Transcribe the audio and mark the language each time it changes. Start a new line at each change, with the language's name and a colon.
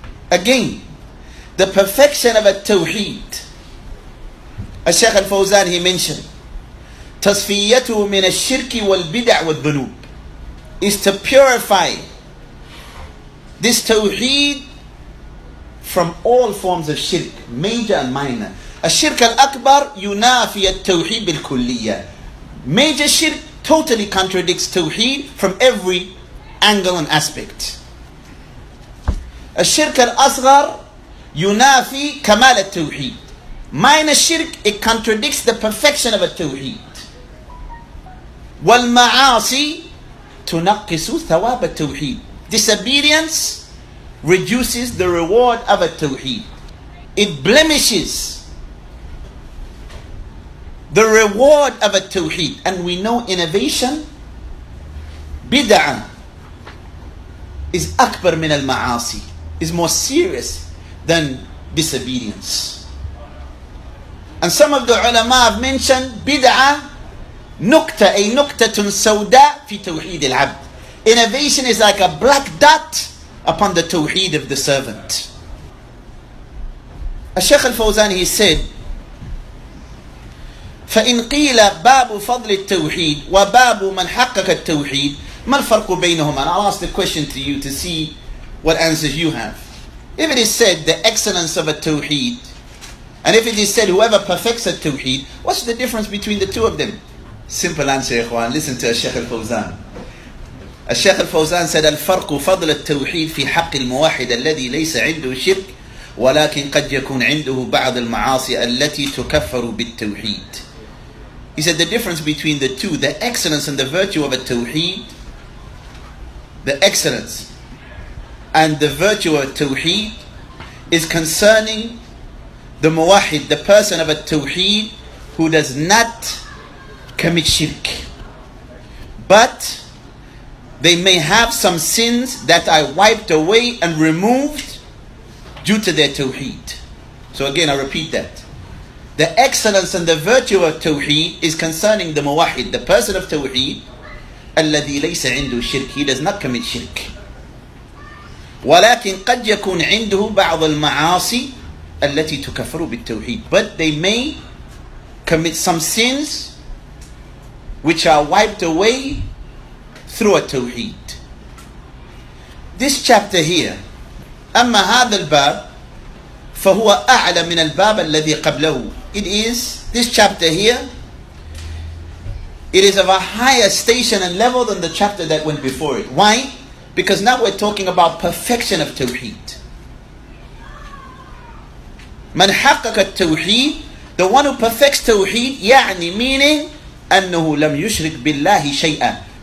English: Again, the perfection of a Tawheed, as Shaykh Al-Fawzan he mentioned,
Arabic: تَصْفِيَّتُهُ مِنَ الشِّرْكِ وَالْبِدَعِ وَالْذُنُوبِ,
English: is to purify this Tawheed from all forms of shirk, major and minor.
Arabic: الشرك الأكبر ينافي التوحيد بالكلية.
English: Major shirk totally contradicts Tawheed from every angle and aspect.
Arabic: الشرك الأصغر ينافي كمال التوحيد.
English: Minor shirk, it contradicts the perfection of a Tawheed.
Arabic: والمعاصي تنقص ثواب التوحيد.
English: Disobedience reduces the reward of a Tawheed. It blemishes the reward of a Tawheed. And we know innovation, bid'ah, is
Arabic: akbar min al-ma'asi,
English: is more serious than disobedience. And some of the ulama have mentioned bid'ah nukta, a
Arabic: nuktatun sawda fi Tawheed al-abd.
English: Innovation is like a black dot upon the Tawheed of the servant. Al-Shaykh Al-Fawzan, he said,
Arabic: فَإِنْ قِيلَ بَابُ فَضْلِ التَّوْحِيدِ وَبَابُ مَنْ حَقَّكَ التَّوْحِيدِ مَا الْفَرْقُ بَيْنَهُمَا.
English: And I'll ask the question to you to see what answers you have. If it is said the excellence of a Tawheed, and if it is said whoever perfects a Tawheed, what's the difference between the two of them? Simple answer, Ikhwan. Listen to Al-Shaykh Al-Fawzan.
Arabic: الشيخ الفوزان
English: said,
Arabic: الفرق فضل التوحيد في حق الموحد الذي ليس عنده شرك ولكن قد يكون عنده بعض المعاصي التي تكفر بالتوحيد.
English: He said, the difference between the two, the excellence and the virtue of a Tawheed, the excellence and the virtue of a Tawheed is concerning the muwahid, the person of a Tawheed who does not commit shirk. But they may have some sins that I wiped away and removed due to their Tawheed. So again, I repeat that. The excellence and the virtue of Tawheed is concerning the Muwahid, the person of Tawheed.
Arabic: الَّذِي لَيْسَ عِنْدُهُ شِرْكِ.
English: He does not commit shirk.
Arabic: وَلَكِنْ قَدْ يَكُونْ عِنْدُهُ بَعْضَ الْمَعَاصِي الَّتِي تُكَفَرُ بِالتَّوْحِيدِ.
English: But they may commit some sins which are wiped away through a tawheed. This chapter here,
Arabic: أَمَّا هَذَا الْبَابِ فَهُوَ أَعْلَى مِنَ الْبَابِ الَّذِي قَبْلَهُ.
English: It is, this chapter here, it is of a higher station and level than the chapter that went before it. Why? Because now we're talking about perfection of tawheed.
Arabic: مَنْ حَقَّكَ التَّوْحِيدِ.
English: The one who perfects tawheed,
Arabic: يعني
English: meaning,
Arabic: أَنَّهُ لَمْ يُشْرِكْ بِاللَّهِ شَيْئًا.